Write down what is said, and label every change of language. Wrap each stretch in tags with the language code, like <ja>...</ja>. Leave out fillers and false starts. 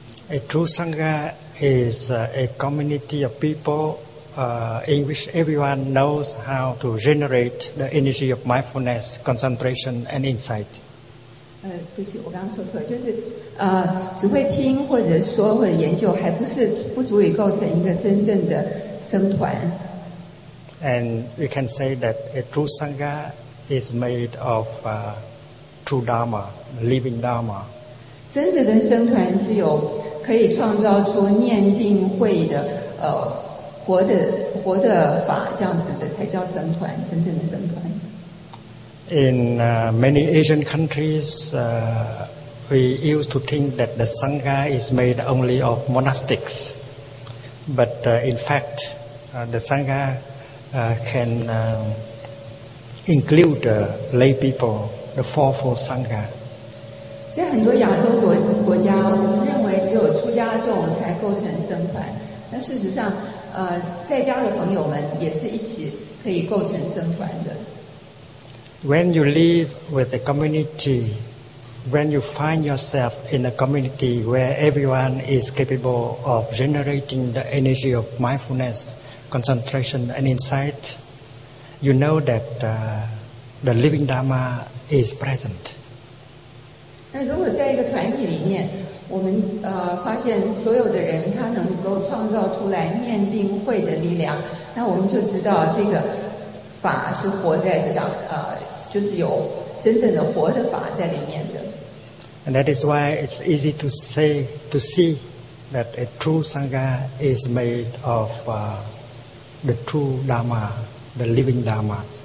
<en>A true sangha is a community of people. In which everyone knows how to generate the energy of mindfulness, concentration, and insight.</en> <zh>对不起，我刚刚说错了，就是只会听或者说或者研究，还不是不足以构成一个真正的僧团。</zh> <en>And we can say that a true sangha is made of true dharma, living dharma.</en> <zh>真正的僧团是有可以创造出念定慧的活的法，这样子的才叫僧团，真正的僧团。</zh> <en>In many Asian countries, we used to think that the sangha is made only of monastics, but in fact, the sangha can include lay people, the fourfold sangha.</en> <zh>在很多亚洲国家，我们认为只有出家众才构成僧团，但事实上。在家的朋友们也是一起可以构成僧团的。</zh> <en>When you live with a community, when you find yourself in a community where everyone is capable of generating the energy of mindfulness, concentration, and insight, you know that the living Dharma is present.</en> <zh>那如果在一个团体里面。我们发现所有的人他能够创造出来念定慧的力量，那我们就知道这个法是活在这当就是有真正的活的法在里面的。</zh> <en>And that is why it's easy to say to see that a true sangha is made of the true dharma, the living dharma.</en>